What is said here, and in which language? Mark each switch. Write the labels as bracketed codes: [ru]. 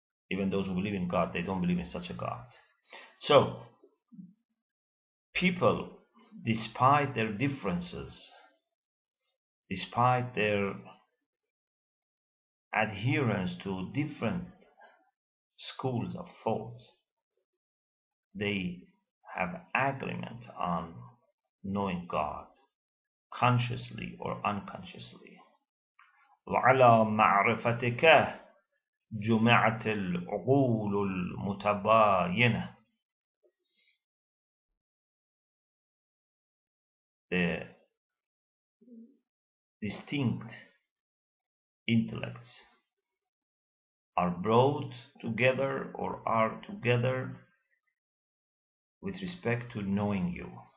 [en] Even those who believe in God, they don't believe in such a God. So people, despite their differences, despite their adherence to different schools of thought, they have agreement on knowing God, consciously or unconsciously. [ar] وعلى معرفتك جمعت العقول المتباينة. [en] The distinct intellects are brought together or are together with respect to knowing you.